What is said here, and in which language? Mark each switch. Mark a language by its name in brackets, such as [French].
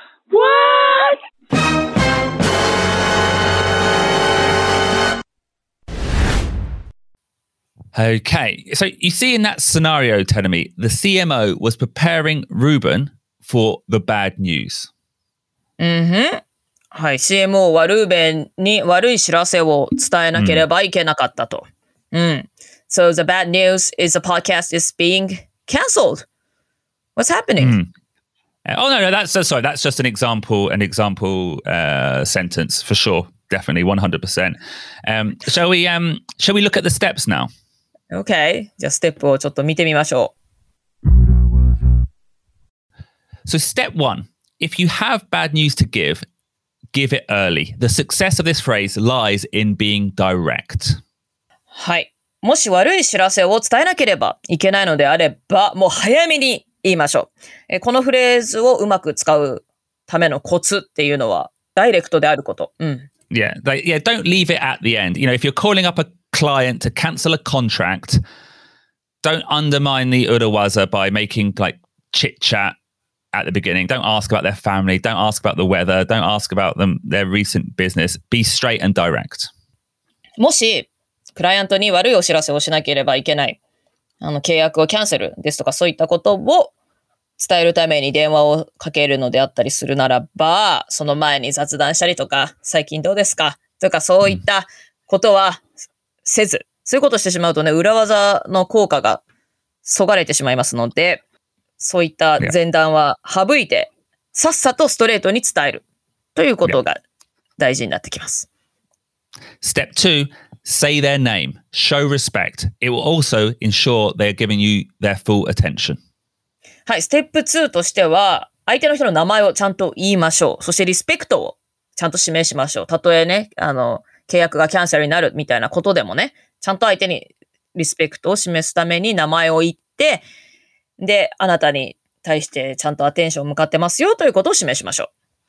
[English] What? Okay, so you see in that scenario, Tenami, the CMO was preparing Ruben for the bad news. Mm-hmm. [Japanese] はい、CMO はルーベンに悪い知らせを伝えなければいけなかったと。 [English] So the bad news is the podcast is being cancelled. What's happening? Mm. Oh, no, that's just an example sentence for sure. Definitely, 100%. Shall we look at the steps now? Okay, just step [Japanese] をちょっと見てみましょう。 [English] So step one, if you have bad news to give, give it early. The success of this phrase lies in being direct. はい、もし悪い知らせを伝えなければいけないのであれば、もう早めに言いましょう。このフレーズをうまく使うためのコツっていうのは、ダイレクトであること。 Don't leave it at the end. You know, if you're calling up a client to cancel a contract, don't undermine the urawaza by making like chit chat at the beginning. Don't ask about their family. Don't ask about the weather. Don't ask about them, their recent business. Be straight and direct. [Japanese] もし、クライアントに悪いお知らせをしなければいけない。契約をキャンセルですとかそういったことを伝えるために電話をかけるのであったりするならば、その前に雑談したりとか、最近どうですかとかそういったことはせず、そういうことしてしまうとね、裏技の効果がそがれてしまいますので、そういった前段は省いて、さっさとストレートに伝えるということが大事になってきます。 [English] Step 2, say their name, show respect. It will also ensure they're giving you their full attention. [Japanese] はい、ステップ2としては、相手の人の名前をちゃんと言いましょう。そしてリスペクトをちゃんと示しましょう。たとえね、契約がキャンセルになるみたいなことでもね、ちゃんと相手にリスペクトを示すために名前を言って、で、あなたに対してちゃんとアテンションを向かってますよということを示しましょう。